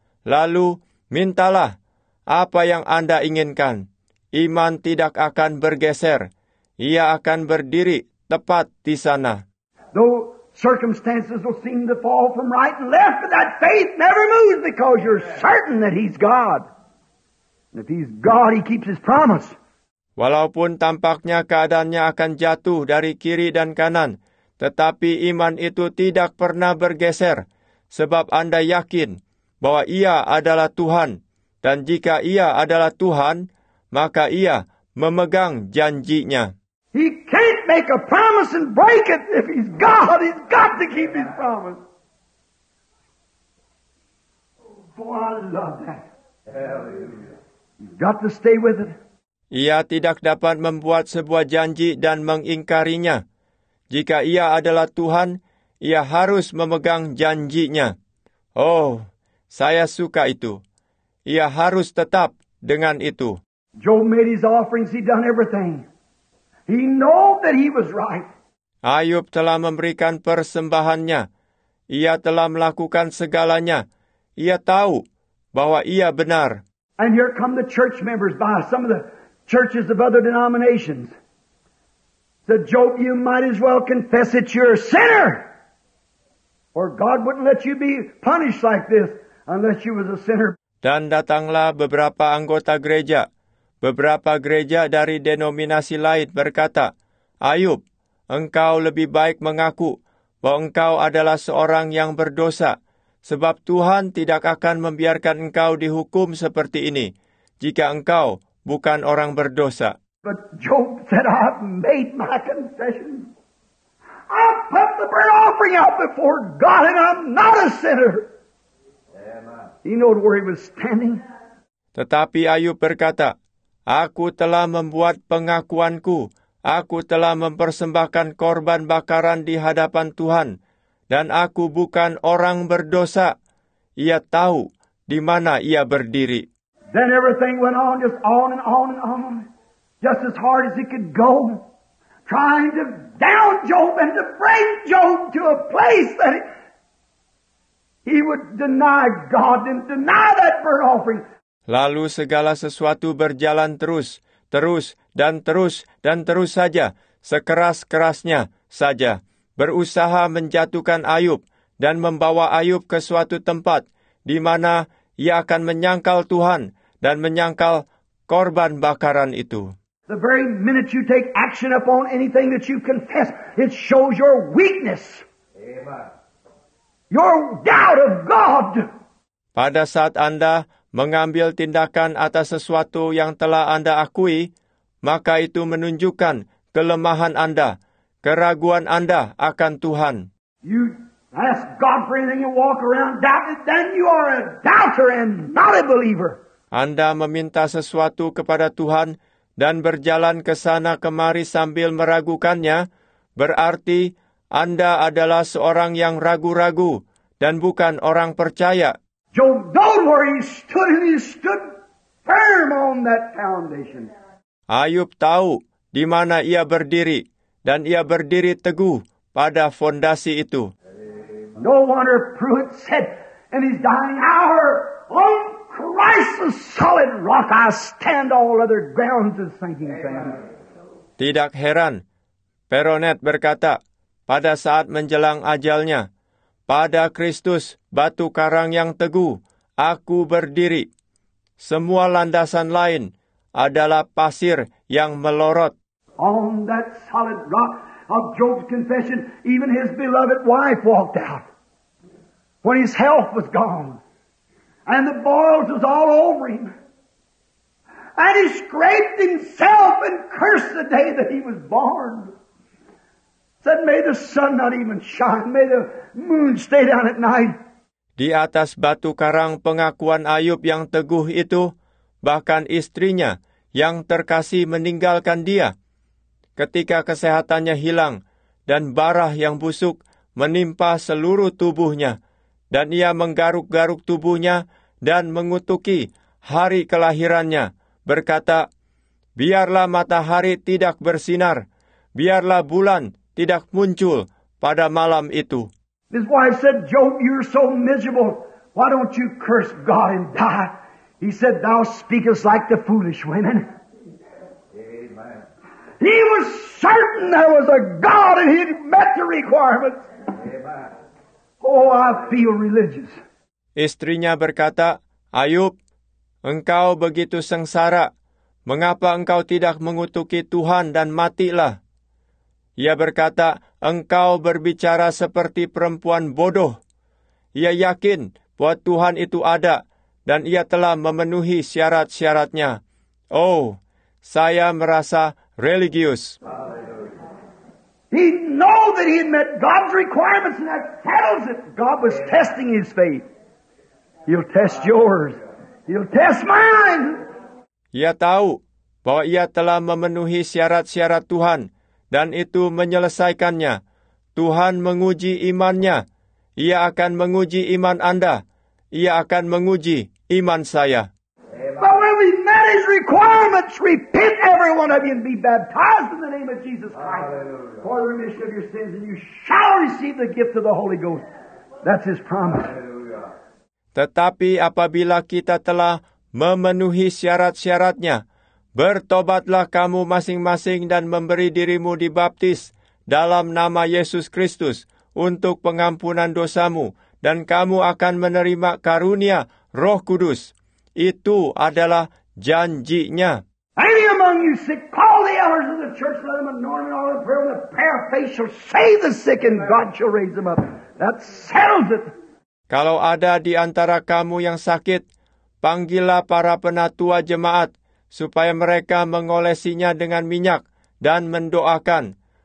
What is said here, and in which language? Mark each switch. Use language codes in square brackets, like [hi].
[id] Lalu, mintalah apa yang Anda inginkan. Iman tidak akan bergeser. Ia akan berdiri tepat di sana. [en] Though circumstances will seem to fall from right and left, but that faith never moves because you're certain that He's God. And if he's God, he keeps his promise. [id] Walaupun tampaknya keadaannya akan jatuh dari kiri dan kanan, tetapi iman itu tidak pernah bergeser, sebab Anda yakin bahwa Ia adalah Tuhan, dan jika Ia adalah Tuhan, maka Ia memegang janjinya. [en] He can't make a promise and break it. If he's God, he's got to keep his promise. Oh, I love that. He's got to stay with it. [id] Ia tidak dapat membuat sebuah janji dan mengingkarinya. Jika Ia adalah Tuhan, Ia harus memegang janjinya. Oh, saya suka itu. Ia harus tetap dengan itu. [en] Job made his offerings, he done everything. He knew that he was right. [id] Ayub telah memberikan persembahannya. Ia telah melakukan segalanya. Ia tahu bahwa ia benar. [en] And here come the church members by some of the churches of other denominations. Said, Job, you might as well confess that you're a sinner. Or God wouldn't let you be punished like this unless you was a sinner. [id] Dan datanglah beberapa anggota gereja. Beberapa gereja dari denominasi lain berkata, Ayub, engkau lebih baik mengaku bahwa engkau adalah seorang yang berdosa, sebab Tuhan tidak akan membiarkan engkau dihukum seperti ini, jika engkau bukan orang berdosa. [en] But Job said, I've made my confession. I put the burnt offering out before God and I'm not a sinner. He knew where he was standing. [id] Tetapi Ayub berkata, Aku telah membuat pengakuanku. Aku telah mempersembahkan korban bakaran di hadapan Tuhan. Dan aku bukan orang berdosa. Ia tahu di mana ia berdiri. [en] Then everything went on, just on and on and on. Just as hard as it could go. Trying to down Job and to bring Job to a place that he would deny God and deny that burnt offering. [id] Lalu segala sesuatu berjalan terus, terus, dan terus, dan terus saja, sekeras-kerasnya saja, berusaha menjatuhkan Ayub dan membawa Ayub ke suatu tempat di mana ia akan menyangkal Tuhan dan menyangkal korban bakaran itu. [en] The very minute you take action upon anything that you confess, it shows your weakness. Amen. Your doubt of God. [id] Pada saat Anda mengambil tindakan atas sesuatu yang telah Anda akui, maka itu menunjukkan kelemahan Anda, keraguan Anda akan Tuhan. [en] You ask God for anything and walk around doubting, then you are a doubter and not a believer. [id] Anda meminta sesuatu kepada Tuhan dan berjalan ke sana kemari sambil meragukannya, berarti Anda adalah seorang yang ragu-ragu dan bukan orang percaya. [en] Job knew where he stood, and he stood firm on that foundation. [id] Ayub tahu di mana ia berdiri, dan ia berdiri teguh pada fondasi itu. [en] No wonder Pruitt said, in his dying hour, on Christ the solid rock I stand, all other grounds is sinking sand. [id] Tidak heran, Peronet berkata, pada saat menjelang ajalnya, pada Kristus, batu karang yang teguh, aku berdiri. Semua landasan lain adalah pasir yang melorot. [en] On that solid rock of Job's confession, even his beloved wife walked out. When his health was gone, and the boils was all over him. And he scraped himself and cursed the day that he was born. Said, may the sun not even shine, may the moon stay down at night. [id] Di atas batu karang pengakuan Ayub yang teguh itu, bahkan istrinya yang terkasih meninggalkan dia. Ketika kesehatannya hilang dan barah yang busuk menimpa seluruh tubuhnya, dan ia menggaruk-garuk tubuhnya dan mengutuki hari kelahirannya, berkata, biarlah matahari tidak bersinar, biarlah bulan tidak muncul pada malam itu. [en] His wife said, Job, you're so miserable. Why don't you curse God and die? He said, thou speakest like the foolish women. Amen. He was certain there was a God and he met the requirements. Amen. Oh, I feel religious. [id] Istrinya berkata, Ayub, engkau begitu sengsara, mengapa engkau tidak mengutuki Tuhan dan matilah? Ia berkata, engkau berbicara seperti perempuan bodoh. Ia yakin bahwa Tuhan itu ada, dan ia telah memenuhi syarat-syaratnya. Oh, saya merasa religius. [en] He knew that he had met God's requirements, and that settles it. God was testing his faith. He'll test yours. He'll test mine. [id] Ia tahu bahwa ia telah memenuhi syarat-syarat Tuhan, dan itu menyelesaikannya. Tuhan menguji imannya. Ia akan menguji iman Anda. Ia akan menguji iman saya. [en] But when we met his requirements, repent every one of you and be baptized in the name of Jesus Christ. Hallelujah. For the remission of your sins, and you shall receive the gift of the Holy Ghost. That's his promise. Hallelujah. [id] Tetapi apabila kita telah memenuhi syarat-syaratnya, bertobatlah kamu masing-masing dan memberi dirimu dibaptis dalam nama Yesus Kristus untuk pengampunan dosamu, dan kamu akan menerima karunia Roh Kudus. Itu adalah janjinya. [en] Any among you sick, call the elders of the church, let them anoint in all the prayer, and the prayer of faith shall save the sick, and God shall raise them up. That settles it. [id] Kalau ada di antara kamu yang sakit, panggillah para penatua jemaat, supaya mereka mengolesinya dengan minyak dan mendoakan.